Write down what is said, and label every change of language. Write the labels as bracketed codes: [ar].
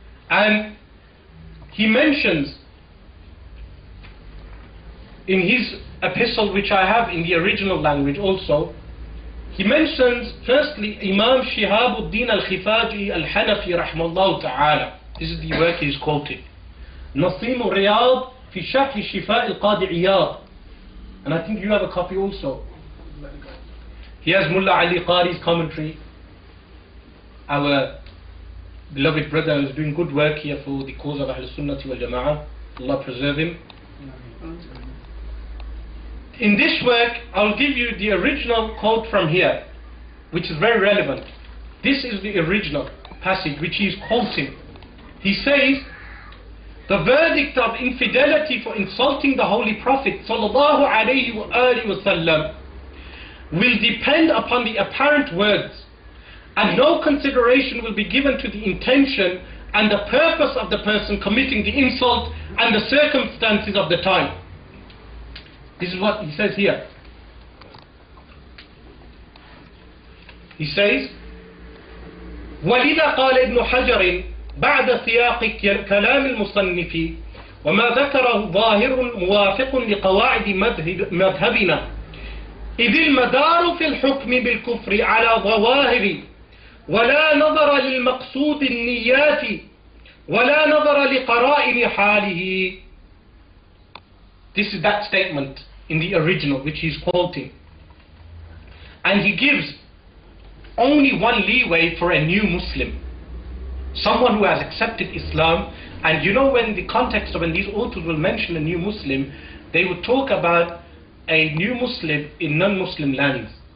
[en] And he mentions in his epistle, which I have in the original language also, he mentions firstly Imam Shihabuddin Al-Khifaji Al-Hanafi rahimahullah ta'ala. This is the work he is quoting. [ar] نصيم الرياض في شرح شفاء القاضي عياض. [en] And I think you have a copy also. He has Mullah Ali Qari's commentary. Our beloved brother is doing good work here for the cause of Ahlus Sunnah wal Jama'ah. Allah preserve him. In this work, I'll give you the original quote from here, which is very relevant. This is the original passage which he is quoting. He says, the verdict of infidelity for insulting the Holy Prophet sallallahu alayhi wa alayhi wa sallam will depend upon the apparent words, and no consideration will be given to the intention and the purpose of the person committing the insult and the circumstances of the time. This is what he says here. He says, [ar] وَلِذَا قَالَ إِبْنُ حَجَرٍ بعد سياق كلام المصنف وما ذكره ظاهر موافق لقواعد مذهبنا إذ المدار في الحكم بالكفر على ظواهر ولا نظر للمقصود النيات ولا نظر لقرائن حاله. [en] This is that statement in the original which he's quoting. And he gives only one leeway for a new Muslim, someone who has accepted Islam. And you know, when the context of when these authors will mention a new Muslim, they will talk about a new Muslim in non-Muslim lands.